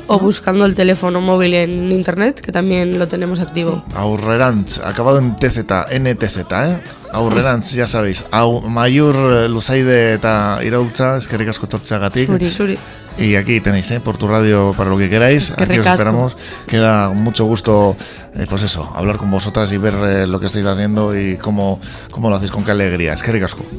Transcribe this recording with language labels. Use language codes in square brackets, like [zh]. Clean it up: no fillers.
[es] O buscando el teléfono móvil en internet, que también lo tenemos activo. Sí. Aurrerantz, acabado en TZ, NTZ, ¿eh? Aurrerantz, ya sabéis. [eu] Mayur Luzaide eta Iraultza, eskerrik asko tortxagatik. Zuri. [es] Y aquí tenéis, Por Tu Radio, para lo que queráis. Es que aquí recasco. Os esperamos. Queda mucho gusto, pues eso, hablar con vosotras y ver lo que estáis haciendo y cómo lo hacéis, con qué alegría. Es que ricasco.